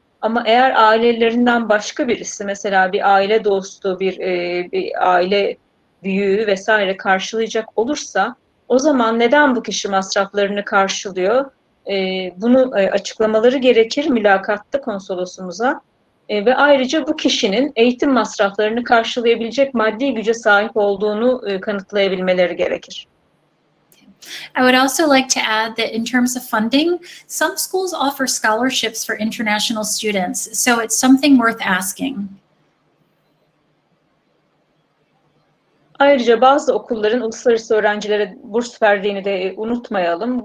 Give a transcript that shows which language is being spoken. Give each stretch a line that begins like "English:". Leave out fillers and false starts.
Turkish: Ama eğer ailelerinden başka birisi, mesela bir aile dostu, bir aile büyüğü vesaire karşılayacak olursa, o zaman neden bu kişi masraflarını karşılıyor? Bunu açıklamaları gerekir mülakatta konsolosumuza. Ve ayrıca bu kişinin eğitim masraflarını karşılayabilecek maddi güce sahip olduğunu kanıtlayabilmeleri gerekir.
English: I would also like to add that in terms of funding, some schools offer scholarships for international students, so it's something worth asking.
Turkish: Ayrıca bazı okulların uluslararası öğrencilere burs verdiğini de unutmayalım.